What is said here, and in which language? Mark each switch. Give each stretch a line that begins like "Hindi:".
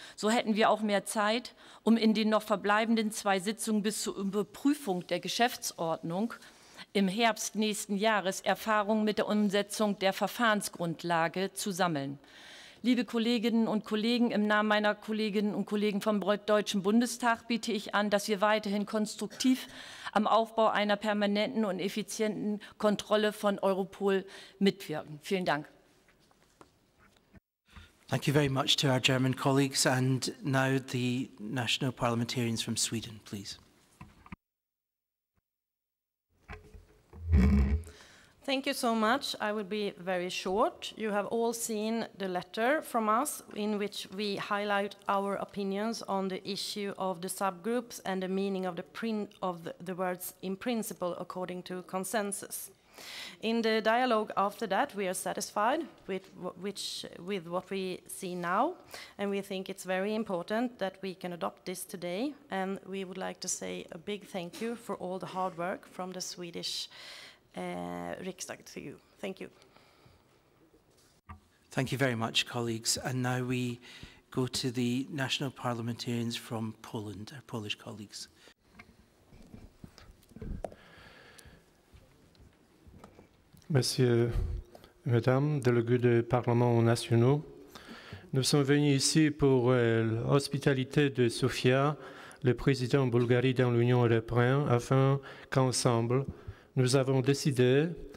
German: So hätten wir auch mehr Zeit, um in den noch verbleibenden zwei Sitzungen bis zur Überprüfung der Geschäftsordnung im Herbst nächsten Jahres Erfahrungen mit der Umsetzung der Verfahrensgrundlage zu sammeln. Liebe Kolleginnen und Kollegen, im Namen meiner Kolleginnen und Kollegen vom Deutschen Bundestag biete ich an, dass wir weiterhin konstruktiv am Aufbau einer permanenten und effizienten Kontrolle von Europol mitwirken. Vielen Dank.
English: Thank you very much to our German colleagues and now the national parliamentarians from Sweden, please. Thank you so much. I will be very short. You have all seen the letter from us in which we highlight our opinions on the issue of the subgroups and the meaning of the words in principle according to consensus. In the dialogue after that, we are satisfied with what we see now, and we think it's very important that we can adopt this today, and we would like to say a big thank you for all the hard work from the Swedish Riksdag to you. Thank you. Thank you very much, colleagues. And now we go to the national parliamentarians from Poland, our Polish colleagues.
French: Monsieur, Madame, délégués du Parlement national, nous sommes venus ici pour l'hospitalité de Sofia, le président de Bulgarie dans l'Union européenne, afin qu'ensemble, nous avons décidé